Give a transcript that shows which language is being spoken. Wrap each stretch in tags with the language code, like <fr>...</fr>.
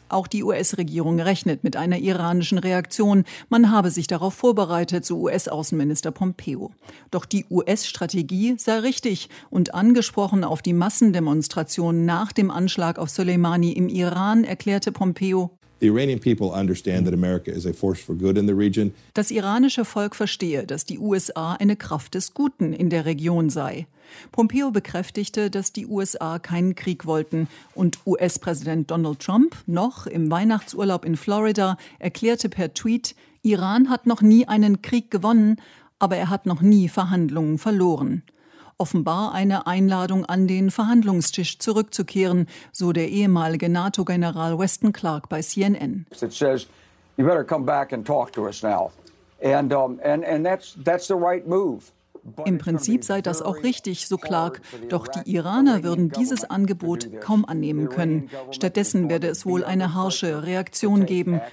<de>Auch die US-Regierung rechnet mit einer iranischen Reaktion. Man habe sich darauf vorbereitet, so US-Außenminister Pompeo. Doch die US-Strategie sei richtig und angesprochen auf die Massendemonstrationen nach dem Anschlag auf Soleimani im Iran, erklärte Pompeo,</de> <en>the Iranian people understand that America is a force for good in the region.</en> <de>Das iranische Volk verstehe, dass die USA eine Kraft des Guten in der Region sei. Pompeo bekräftigte, dass die USA keinen Krieg wollten. Und US-Präsident Donald Trump, noch im Weihnachtsurlaub in Florida, erklärte per Tweet, Iran hat noch nie einen Krieg gewonnen, aber er hat noch nie Verhandlungen verloren. Offenbar eine Einladung an den Verhandlungstisch zurückzukehren, so der ehemalige NATO-General Weston Clark bei CNN.</de> <en>It says, you better come back and talk to us now. And that's the right move.</en> <de>Im Prinzip sei das auch richtig, so Clark. Doch die Iraner würden dieses Angebot kaum annehmen können. Stattdessen werde es wohl eine harsche Reaktion geben.</de>